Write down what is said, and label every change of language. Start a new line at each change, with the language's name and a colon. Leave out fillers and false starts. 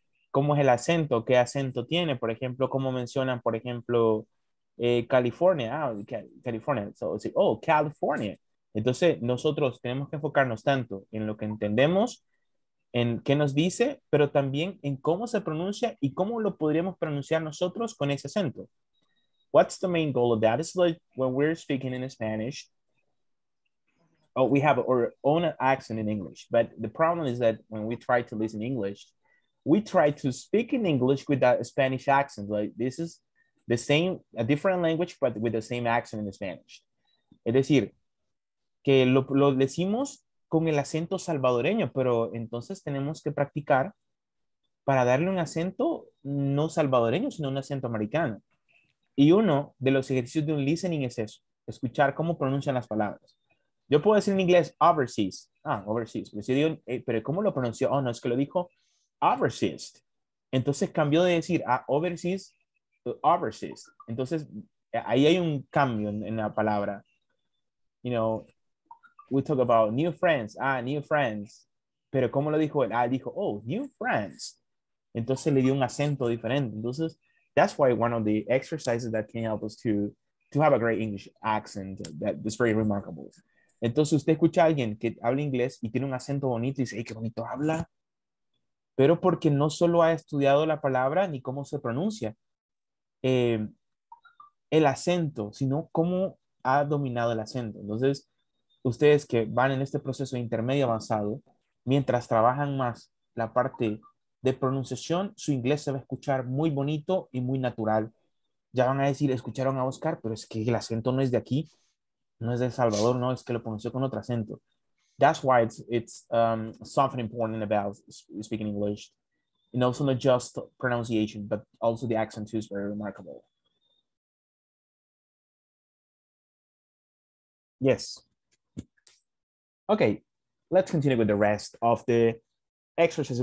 Spanish: ¿Cómo es el acento? ¿Qué acento tiene? Por ejemplo, ¿cómo mencionan, por ejemplo, California? California. California. Entonces, nosotros tenemos que enfocarnos tanto en lo que entendemos, en qué nos dice, pero también en cómo se pronuncia y cómo lo podríamos pronunciar nosotros con ese acento.
English: What's the main goal of that? It's like when we're speaking in Spanish, we have our own accent in English, but the problem is that when we try to listen English, we try to speak in English with that Spanish accent. Like this is the same, a different language, but with the same accent in Spanish.
Spanish: Es decir, que lo decimos con el acento salvadoreño, pero entonces tenemos que practicar para darle un acento no salvadoreño, sino un acento americano. Y uno de los ejercicios de un listening es eso, escuchar cómo pronuncian las palabras. Yo puedo decir en inglés overseas. Overseas. Pero, si digo, pero ¿cómo lo pronunció? Oh, no, es que lo dijo overseas. Entonces cambió de decir a overseas to overseas. Entonces ahí hay un cambio en la palabra.
English: You know, we talk about new friends. New friends.
Spanish: Pero ¿cómo lo dijo él? Dijo, oh, new friends. Entonces le dio un acento diferente.
English: Entonces, that's why one of the exercises that can help us to have a great English accent that is very remarkable.
Spanish: Entonces usted escucha a alguien que habla inglés y tiene un acento bonito y dice, hey, qué bonito habla. Pero porque no solo ha estudiado la palabra ni cómo se pronuncia. el acento, sino cómo ha dominado el acento. Entonces, ustedes que van en este proceso de intermedio avanzado, mientras trabajan más la parte de pronunciación, su inglés se va a escuchar muy bonito y muy natural. Ya van a decir, escucharon a Oscar, pero es que el acento no es de aquí, no es de El Salvador, no, es que lo pronunció con otro acento.
English: That's why it's something important about speaking English. You know, so not just pronunciation, but also the accent too is very remarkable. Yes. Okay, let's continue with the rest of the exercises.